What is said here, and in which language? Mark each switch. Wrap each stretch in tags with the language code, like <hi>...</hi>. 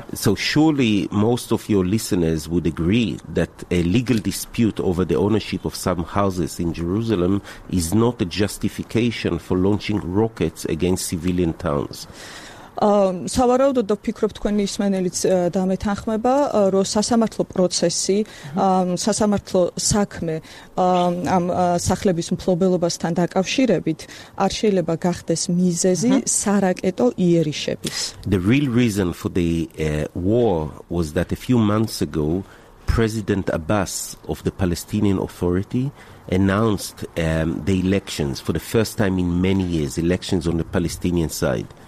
<en>So surely most of your listeners would agree that a legal dispute over the ownership of some houses in Jerusalem is not a justification for launching rockets against civilian towns.</en> <ka>სავარაუდოდ და ფიქრობ თქვენი ისმენელიც დამეთანხმება რომ სასამართლო პროცესი სასამართლო საქმე ამ სახლების მფლობელობასთან დაკავშირებით არ შეიძლება გახდეს მიზეზი სარაკეტო იერიშების.</ka> <en>The real reason for the war was that a few months ago President Abbas of the Palestinian Authority announced the elections for the first time in many years elections on the Palestinian side.</en>